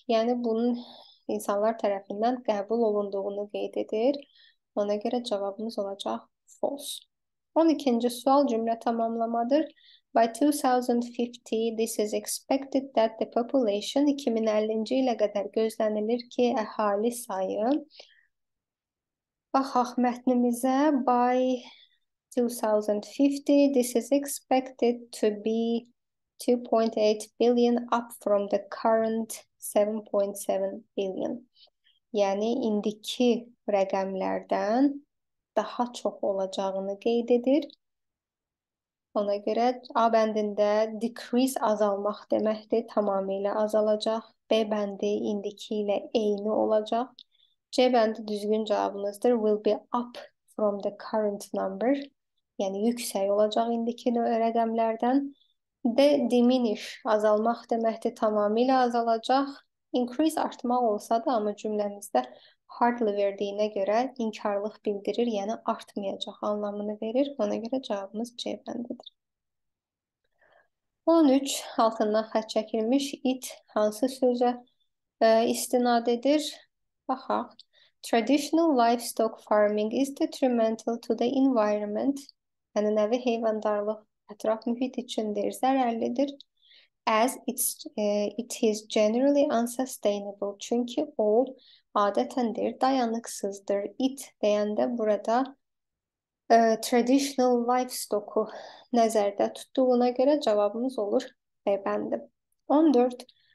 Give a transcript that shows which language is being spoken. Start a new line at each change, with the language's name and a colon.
Azerbaijani: Yəni, bunun insanlar tərəfindən qəbul olunduğunu qeyd edir. Ona görə cavabımız olacaq false. 12-ci sual cümlə tamamlamadır.
English: By 2050, this is expected that the population
Azerbaijani: 2050-ci ilə qədər gözlənilir ki, əhali sayı. Baxaq mətnimizə.
English: By 2050, this is expected to be 2.8 billion up from the current 7.7 billion.
Azerbaijani: Yəni indiki rəqəmlərdən daha çox olacağını qeyd edir. Ona görə A bəndində decrease azalmaq deməkdir, tamamilə azalacaq. B bəndi indiki ilə eyni olacaq. C bəndi düzgün cavabınızdır.
English: Will be up from the current number.
Azerbaijani: Yəni yüksək olacaq indiki rəqəmlərdən. D diminish azalmaq deməkdir, tamamilə azalacaq. Increase artmaq olsa da, amma cümləmizdə hardly verdiyinə görə inkarlıq bildirir, yəni artmayacaq anlamını verir. Ona görə cavabımız C bəndidir. 13 altından xətt çəkilmiş it hansı sözə istinad edir? Baxaq.
English: Traditional livestock farming is detrimental to the environment.
Azerbaijani: Ənənəvi heyvandarlıq ətraf mühit üçündür, zərərlidir.
English: As it is generally unsustainable.
Azerbaijani: Çünki o adətəndir, dayanıqsızdır. It deyəndə burada traditional livestock-u nəzərdə tutduğuna görə cavabımız olur B bəndi. 14.